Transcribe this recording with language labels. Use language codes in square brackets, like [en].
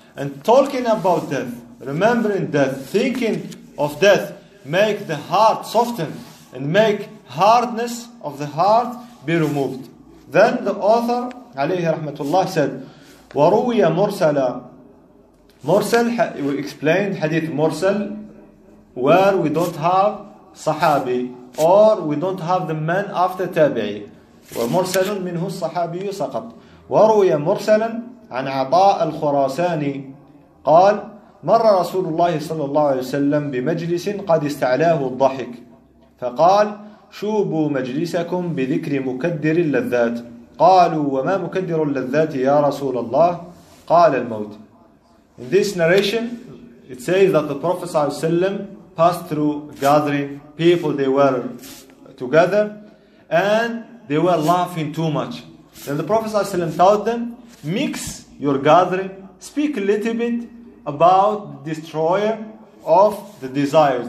[en] And talking about death, remembering death, thinking of death, make the heart soften, and make hardness of the heart be removed. Then the author, [ar] alayhi rahmatullah, [en] said, [ar] وروي مرسلا. [en] مرسل we explained حديث مرسل where we don't have صحابي or we don't have the man after تابعي. [ar] ومرسل منه الصحابي سقط. وروي مرسلا عن عطاء الخراساني قال مر رسول الله صلى الله عليه وسلم بمجلس قد استعلاه الضحك فقال شوبوا مجلسكم بذكر مكدر اللذات. قالوا وما مكدر اللذات يا رسول الله؟ قال الموت. [en] In this narration, it says that the Prophet [ar] صلى الله عليه وسلم [en] passed through gathering people, they were together and they were laughing too much. Then the Prophet [ar] صلى الله عليه وسلم [en] told them, mix your gathering, speak a little bit about the destroyer of the desires.